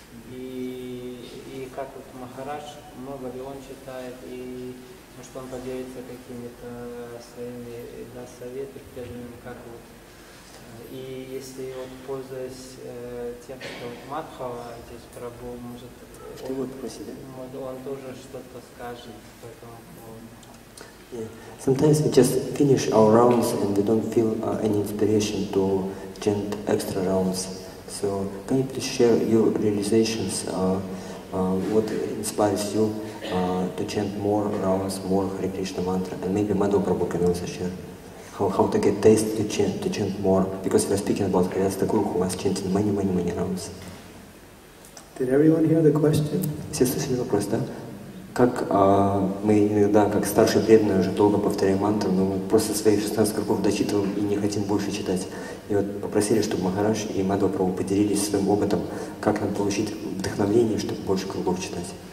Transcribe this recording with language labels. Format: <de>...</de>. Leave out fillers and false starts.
<ru>И как вот Махарадж, много ли он читает, и что он поделится какими-то своими и даст советы преданным, как вот. И если вот пользуясь тем, что вот Мадхава здесь Прабху, может, он тоже что-то скажет по этому поводу.</ru> <en>Yeah. Sometimes we just finish our rounds and we don't feel any inspiration to chant extra rounds. So can you please share your realizations, what inspires you to chant more rounds, more Hare Krishna mantra? And maybe Madhu Prabhu can also share how to get taste to chant more, because we are speaking about Kailas Thakur who was chanting many rounds. Did everyone hear the question?</en> <ru>Все слышали вопрос, да? Как мы иногда, как старшие преданные, уже долго повторяем мантру, но мы просто свои 16 кругов дочитываем и не хотим больше читать. И вот попросили, чтобы Махарадж и Мадхва Прабху поделились своим опытом, как нам получить вдохновение, чтобы больше кругов читать.</ru>